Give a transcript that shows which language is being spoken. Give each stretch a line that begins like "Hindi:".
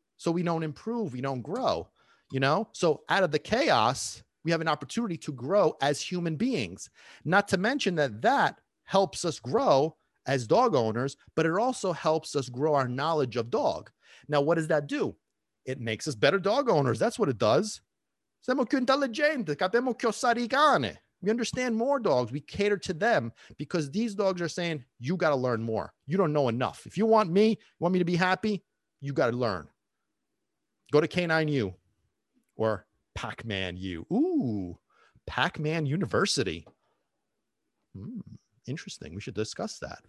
English: So we don't improve, we don't grow, you know? So out of the chaos, we have an opportunity to grow as human beings. Not to mention that that helps us grow as dog owners, but it also helps us grow our knowledge of dog. Now, what does that do? It makes us better dog owners. That's what it does.
Italian: Siamo più intelligenti, capiamo più osare I cani.
English: We understand more dogs. We cater to them because these dogs are saying, you got to learn more. You don't know enough. If you want me, you want me to be happy, you got to learn. Go to K9U or Pac-Man U. Ooh, Pac-Man University. Interesting. We should discuss that.